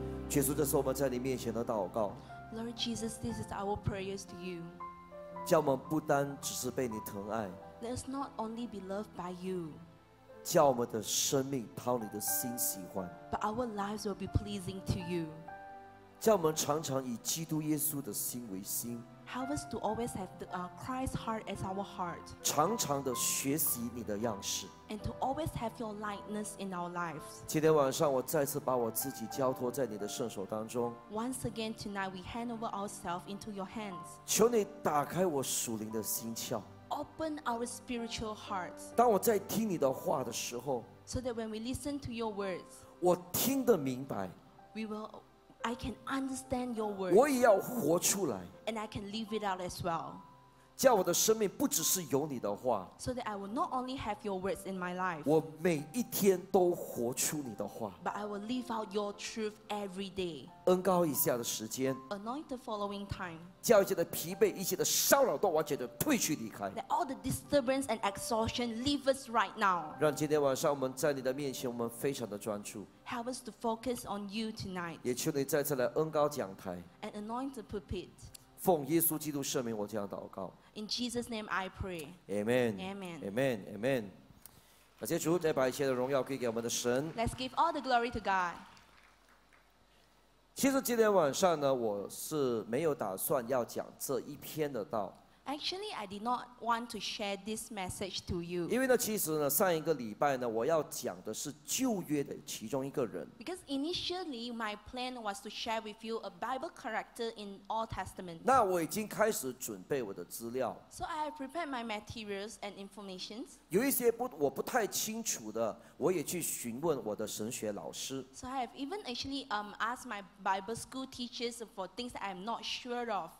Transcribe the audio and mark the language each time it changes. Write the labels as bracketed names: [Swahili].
[Chinese] 耶稣，这是我们在你面前的祷告。 [English] Lord Jesus, this is our prayers to you. [Chinese] 叫我们不单只是被你疼爱。 [English] Let us not only be loved by you. [Chinese] 叫我们的生命讨你的心喜欢。 [English] But our lives will be pleasing to you. [Chinese] 叫我们常常以基督耶稣的心为心。 [English] Help us to always have the, Christ's heart as our heart. [Chinese] 常常的学习你的样式。 [English] And to always have your likeness in our lives. [Chinese] 今天晚上我再次把我自己交托在你的圣手当中。 [English] Once again tonight we hand over ourselves into your hands. [Chinese] 求你打开我属灵的心窍。 [English] Open our spiritual hearts. [Chinese] 当我在听你的话的时候。 [English] So that when we listen to your words. [Chinese] 我听得明白。 [English] I can understand your words. [Chinese] 我也要活出来。 [English] And I can live it out as well. [Chinese] 叫我的生命不只是有你的话。 [English] So that I will not only have your words in my life. [Chinese] 我每一天都活出你的话。 [English] But I will live out your truth every day. [Chinese] 恩膏以下的时间。 [English] Anoint the following time. [Chinese] 叫一切的疲惫，一切的骚扰都完全的退去离开。 [English] Let all the disturbance and exhaustion leave us right now. [Chinese] 让今天晚上我们在你的面前，我们非常的专注。 [English] Help us to focus on you tonight. [Chinese] 也求你再次来恩膏讲台。 [English] And anoint the pulpit. [Chinese] 奉耶稣基督圣名，我这样祷告。 [English] In Jesus' name, I pray. Amen. Amen. Amen. Amen. [Chinese] 感谢主，再把一切的荣耀归给我们的神。 [English] Let's give all the glory to God. [Chinese] 其实今天晚上呢，我是没有打算要讲这一篇的道。 [English] Actually, I did not want to share this message to you. [Chinese] 因为呢，其实呢，上一个礼拜呢，我要讲的是旧约的其中一个人。 [English] Because initially, my plan was to share with you a Bible character in Old Testament. [Chinese] 那我已经开始准备我的资料。 [English] So I have prepared my materials and information. [Chinese] 有一些我不太清楚的，我也去询问我的神学老师。 [English] So I have even actually asked my Bible school teachers for things that I am not sure of.